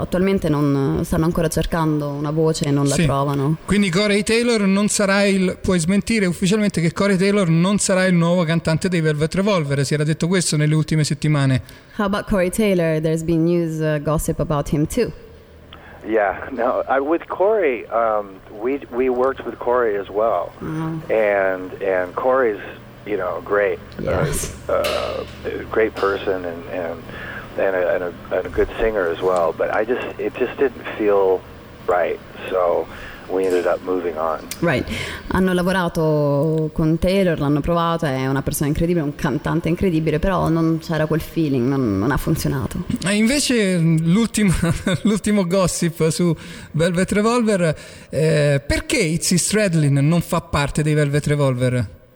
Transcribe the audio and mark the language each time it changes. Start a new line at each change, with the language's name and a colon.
Italian: Attualmente non stanno ancora cercando una voce e non sì. la trovano. Quindi Corey Taylor non sarà il puoi smentire ufficialmente che Corey Taylor non sarà il nuovo cantante dei Velvet Revolver, si era detto questo nelle ultime settimane.
English: How about Corey Taylor? There's been news gossip about him too. Yeah, no, with Corey, we worked with Corey as well. Mm-hmm. And Corey's, you know, great. Yes. Great person and a good singer as well, but it just didn't feel right. So we ended up moving on. Right.
Italian: Hanno lavorato con Taylor, l'hanno provato, è una persona incredibile, un cantante incredibile, però non c'era quel feeling, non ha funzionato. E invece l'ultimo gossip su Velvet Revolver, perché Izzy Stradlin non fa parte dei Velvet Revolver?